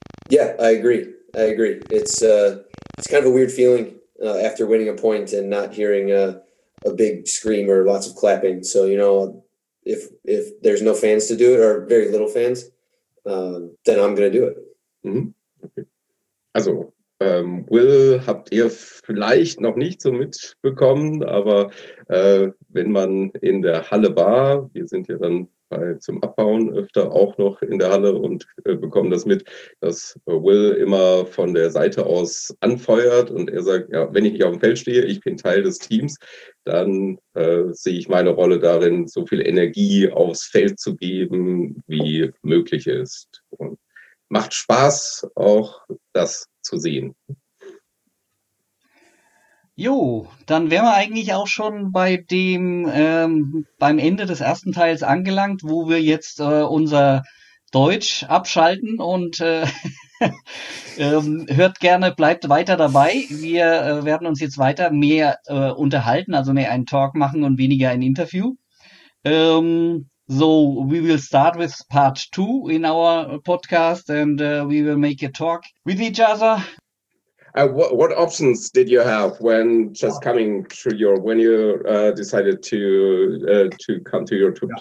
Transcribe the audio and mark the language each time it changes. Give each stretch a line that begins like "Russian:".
English: Yeah, I agree. I agree. It's kind of a weird feeling after winning a point and not hearing a big scream or lots of clapping. So, you know, if there's no fans to do it or very little fans, then I'm going to do it. Mm-hmm. Okay.
German: Also, Will habt ihr vielleicht noch nicht so mitbekommen, aber wenn man in der Halle war, wir sind ja dann zum Abbauen öfter auch noch in der Halle und bekommen das mit, dass Will immer von der Seite aus anfeuert und er sagt, ja, wenn ich nicht auf dem Feld stehe, ich bin Teil des Teams, dann sehe ich meine Rolle darin, so viel Energie aufs Feld zu geben, wie möglich ist. Und macht Spaß, auch das zu sehen. Jo, dann wären wir eigentlich auch schon bei dem beim Ende des ersten Teils angelangt, wo wir jetzt unser Deutsch abschalten und hört gerne, bleibt weiter dabei. Wir werden uns jetzt weiter mehr unterhalten, also mehr einen Talk machen und weniger ein Interview.
English: So, we will start with part two in our podcast and we will make a talk with each other. What options did you have when just coming to your when you decided to come to your to yeah.